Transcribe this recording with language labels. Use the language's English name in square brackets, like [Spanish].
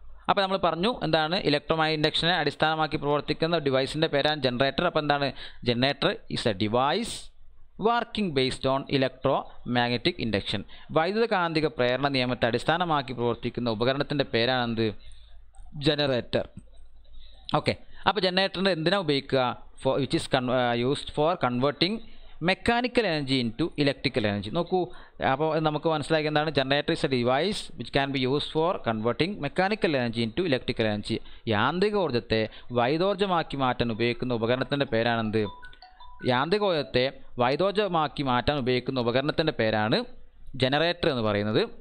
[Malayalam] അപ്പോൾ നമ്മൾ പറഞ്ഞു എന്താണ്, ഇലക്ട്രോമാഗ്നെറ്റിക്ഷനെ അടിസ്ഥാനമാക്കി പ്രവർത്തിക്കുന്ന ഡിവൈസിൻ്റെ പേരാണ് ജനറേറ്റർ. അപ്പോൾ എന്താണ് generator? [English] is a device working based on electro magnetic induction, [Malayalam] വൈദ്യുത കാന്തിക പ്രേരണ നിയമത്തെ അടിസ്ഥാനമാക്കി പ്രവർത്തിക്കുന്ന ഉപകരണത്തിൻ്റെ പേരാണെന്ത്? ജനറേറ്റർ. ഓക്കെ, അപ്പോൾ ജനറേറ്ററിന് എന്തിനാണ് ഉപയോഗിക്കുക? [English] which is used for converting mechanical energy into electrical energy. [Malayalam] നോക്കൂ, അപ്പോൾ നമുക്ക് മനസ്സിലാക്കി എന്താണ്, [English] Generator is a device which can be use for converting mechanical energy into electrical energy. [Malayalam] യാന്ത്രിക ഊർജ്ജത്തെ വൈദ്യോർജ്ജമാക്കി മാറ്റാൻ ഉപയോഗിക്കുന്ന ഉപകരണത്തിൻ്റെ പേരാണെന്ത്? യാന്ത്രിക ഊർജ്ജത്തെ വൈദ്യോർജ്ജമാക്കി മാറ്റാൻ ഉപയോഗിക്കുന്ന ഉപകരണത്തിൻ്റെ പേരാണ് ജനറേറ്റർ എന്ന് പറയുന്നത്.